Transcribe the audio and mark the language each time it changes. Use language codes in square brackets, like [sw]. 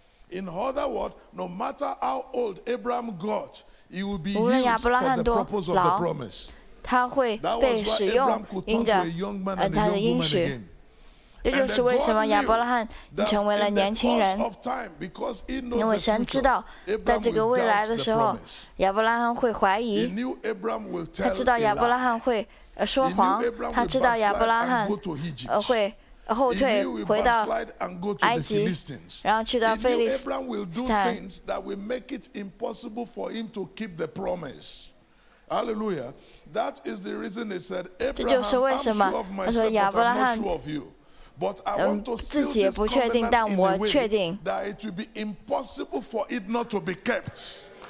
[en] In other words, no matter how old Abraham got, he will be used for the purpose of the promise. That was why Abraham could talk to a young man and a young woman again. And God knew that in the course of time, because he knows the future, Abraham would doubt the promise. [zh] 亚伯拉罕会怀疑，他知道亚伯拉罕会说谎，他知道亚伯拉罕会后退回到埃及，然后去到腓力斯坦。 [en] That will make it impossible for him to keep the promise. Hallelujah. That is the reason he said, "Abraham, I'm sure of myself, I'm not sure of you." But I want to seal this covenant in a way that it will be impossible for it not to be kept.